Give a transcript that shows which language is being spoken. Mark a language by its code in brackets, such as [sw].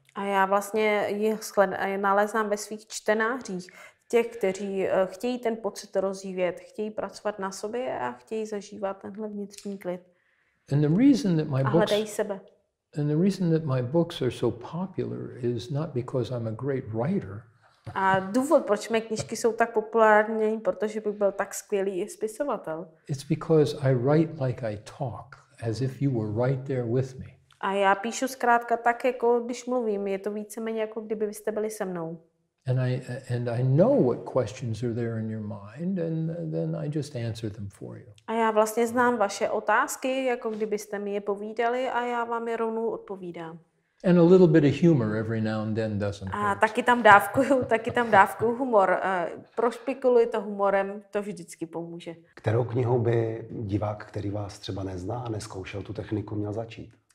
[cs] A já vlastně nalézám ve svých čtenářích těch, kteří chtějí ten pocit rozvíjet, chtějí pracovat na sobě a chtějí zažívat tenhle vnitřní klid. [en] And the reason that my books, [cs] a hledají sebe. [en] And the reason that my books are so popular is not because I'm a great writer. [cs] A důvod, proč mé knížky jsou tak populární, protože bych byl tak skvělý spisovatel. [en] It's because I write like I talk, as if you were right there with me. [cs] A já píšu zkrátka tak, jako když mluvím. Je to víceméně jako kdyby vy jste byli se mnou. [en] And I know what questions are there in your mind, and then I just answer them for you. [cs] A já vlastně znám vaše otázky, jako kdybyste mi je povídali, a já vám je rovnou odpovídám. [en] And a little bit of humor every now and then doesn't hurt. [cs] A taky tam dávkuju humor. Prošpikulujte humorem, to vždycky pomůže. Kterou knihou by divák, který vás třeba nezná a neskoušel tu techniku, měl začít?